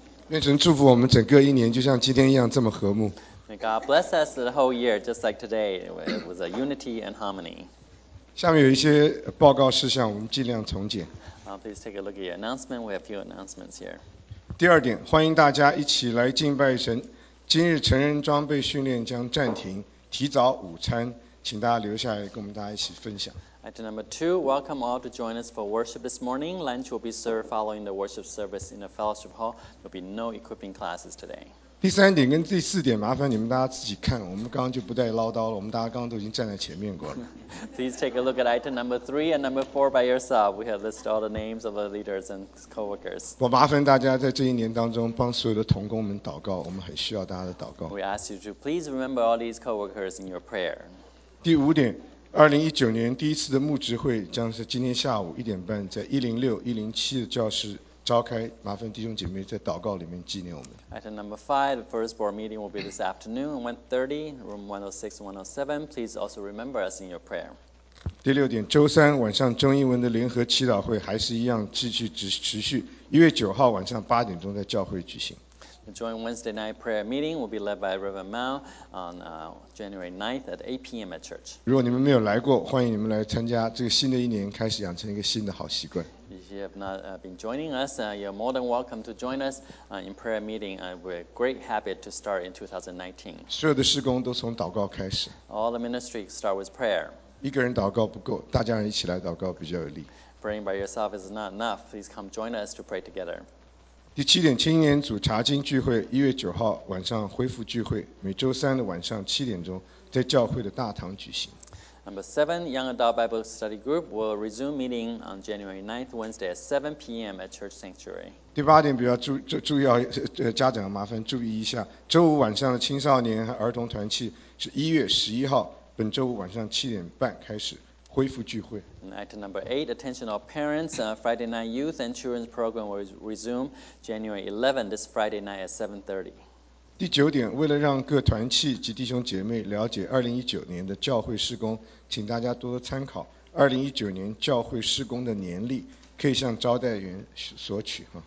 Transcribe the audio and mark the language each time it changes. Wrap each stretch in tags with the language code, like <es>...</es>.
<zh>May 神祝福我们整个一年，就像今天一样这么和睦。</zh> <en>May God bless us the whole year, just like today, with a unity and harmony.</en> <zh>下面有一些报告事项，我们尽量从简。</zh> <en>Please take a look at your announcement. We have a few announcements here.</en> <zh>第二点，欢迎大家一起来敬拜神。今日成人装备训练将暂停，提早午餐，请大家留下来跟我们大家一起分享。</zh> <en>Item number two, welcome all to join us for worship this morning. Lunch will be served following the worship service in the fellowship hall. There will be no equipping classes today.</en> <zh>第三点跟第四点麻烦你们大家自己看，我们刚刚就不再唠叨了，我们大家刚刚都已经站在前面过了。</zh> <en>Please take a look at item number three and number four by yourself. We have listed all the names of the leaders and co-workers.</en> <zh>我麻烦大家在这一年当中帮所有的同工们祷告，我们很需要大家的祷告。</zh> <en>We ask you to please remember all these co-workers in your prayer.</en> <zh>第五点。 2019年第一次的牧职会将是今天下午1:30在106、107的教室召开，麻烦弟兄姐妹在祷告里面纪念我们。</zh> <en>Item number five, the first board meeting will be this afternoon, 1:30, room 106 and 107. Please also remember us in your prayer.</en> <zh>第六点，周三晚上中英文的联合祈祷会还是一样继续持续，1月9号晚上8点在教会举行。</zh> <en>The joint Wednesday night prayer meeting will be led by Reverend Mao on January 9th at 8 p.m. at church.</en> <zh>如果你们没有来过，欢迎你们来参加。这个新的一年开始养成一个新的好习惯。</zh> <en>If you have not been joining us, you're more than welcome to join us in prayer meeting. We're a great habit to start in 2019.</en> <zh>所有的事工都从祷告开始。</zh> <en>All the ministry start with prayer.</en> <zh>一个人祷告不够，大家一起来祷告比较有力。</zh> <en>Praying by yourself is not enough. Please come join us to pray together.</en> <zh>第七点，青年组查经聚会，1月9号晚上恢复聚会，每周三的晚上7点在教会的大堂举行。</zh> <en>Number 7, Young Adult Bible Study Group will resume meeting on January 9th, Wednesday at 7 p.m. at Church Sanctuary.</en> <zh>第八点，比较注意要家长麻烦注意一下，周五晚上的青少年和儿童团契是1月11号，本周五晚上7:30开始。恢复聚会。</zh> <en>Item number 8, attention of parents, Friday night youth and children's program will resume January 11, this Friday night at 7:30.</en> <zh>第九点，为了让各团契及弟兄姐妹了解2019年的教会事工，请大家多多参考2019年教会事工的年历，可以向招待员索取。</zh>